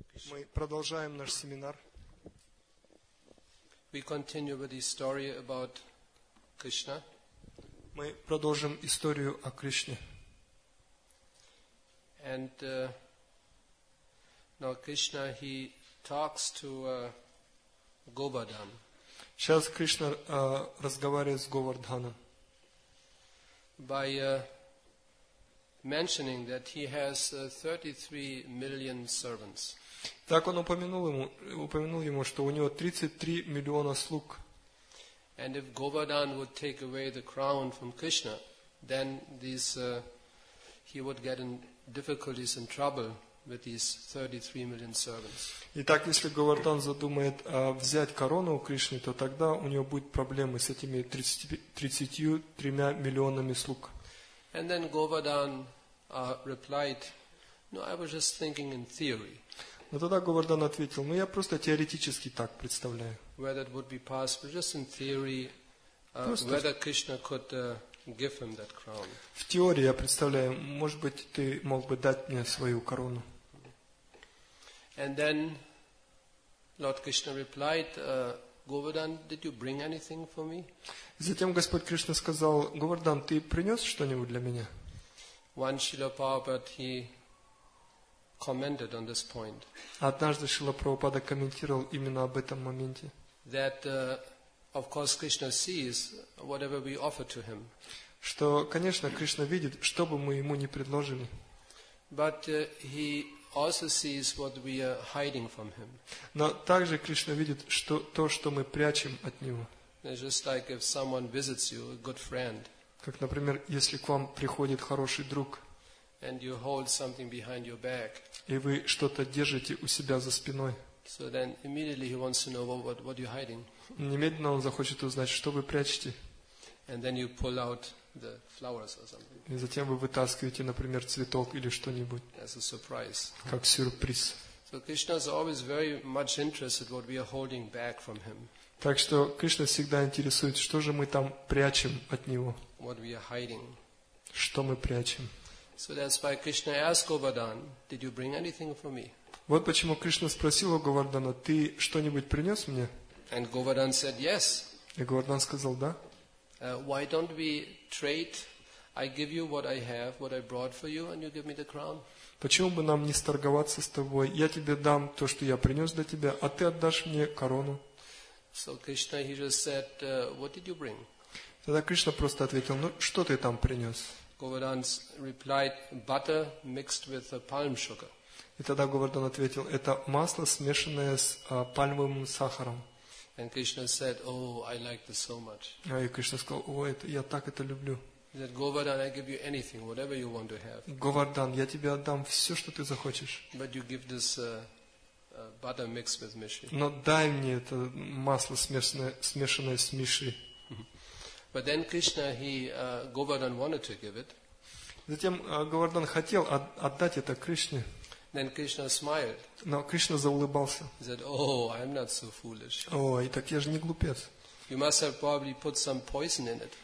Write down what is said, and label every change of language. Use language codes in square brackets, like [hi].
[ru] Мы продолжаем наш семинар. [en] We continue with the story about Krishna. [ru] Мы продолжим историю о Кришне. [en] And now Krishna, he talks to Govardhan. [ru] Сейчас Кришна разговаривает с Говардханом. [en] By mentioning that he has 33 million servants. [ru] Так он упомянул ему, что у него 33 миллиона слуг. [en] And if Govardhan would take away the crown from Krishna, then these he would get in difficulties and trouble with these 33 million servants. [ru] Итак, если Говардхан задумает взять корону у Кришны, то тогда у него будут проблемы с этими 33 миллионами слуг. [en] And then Govardhan replied, "No, I was just thinking in theory." [ru] Но тогда Говардхан ответил: "Ну, я просто теоретически так представляю." [en] Whether it would be possible, just in theory, whether Krishna could give him that crown. [ru] В теории я представляю, может быть, ты мог бы дать мне свою корону. [en] And then Lord Krishna replied, "Govardhan, did you bring anything for me?" [ru] Затем Господь Кришна сказал: "Говардхан, ты принес что-нибудь для меня?" [en] One Srila Prabhupada, he commented on this point. [ru] Однажды Шрила Прабхупада комментировал именно об этом моменте. [en] That, of course, Krishna sees whatever we offer to him. [ru] Что, конечно, Кришна видит, что бы мы ему ни предложили. [en] But he also sees what we are hiding from him. [ru] Но также Кришна видит, что то, что мы прячем от него. [en] It's just like if someone visits you, a good friend. [ru] Как, например, если к вам приходит хороший друг. [en] And you hold something behind your back. [ru] И вы что-то держите у себя за спиной. [en] So then immediately he wants to know what you're hiding. [ru] Немедленно он захочет узнать, что вы прячете. [en] And then you pull out the flowers or something. [ru] И затем вы вытаскиваете, например, цветок или что-нибудь. [en] As a surprise. [ru] Как сюрприз. [en] So Krishna is always very much interested what we are holding back from him. [ru] Так что Кришна всегда интересует, что же мы там прячем от него. [en] What we are hiding. [ru] Что мы прячем. [en] So that's why Krishna asked Govardhan, "Did you bring anything for me?" [ru] Вот почему Кришна спросил у Говардхана: "Ты что-нибудь принес мне?" [en] And Govardhan said, "Yes." [ru] И Говардхан сказал: "Да." [en] Why don't we trade? I give you what I have, what I brought for you, and you give me the crown. [ru] Почему бы нам не сторговаться с тобой? Я тебе дам то, что я принес для тебя, а ты отдашь мне корону. [en] So Krishna, he just said, "What did you bring?" [ru] Тогда Кришна просто ответил: "Ну, что ты там принес?" [en] Govardhan replied, "Butter mixed with palm sugar." [ru] И тогда Говардхан ответил: "Это масло, смешанное с пальмовым сахаром." [en] And Krishna said, "Oh, I like this so much." [ru] И Кришна сказал: "О, это я так это люблю." [en] He said, "Govardhan, I give you anything, whatever you want to have." [ru] Говардхан, я тебе отдам все, что ты захочешь. [en] But you give this butter mixed with mishri. [ru] Но дай мне это масло, смешанное с мишри. [en] But then Krishna, Govardhan wanted to give it. [ru] Затем Говардхан хотел отдать это Кришне. [en] Then Krishna smiled. [ru] Но Кришна заулыбался. [en] He said, "Oh, I'm not so foolish." [ru] Ой, так я же не глупец. [en] You must have probably put some poison in it.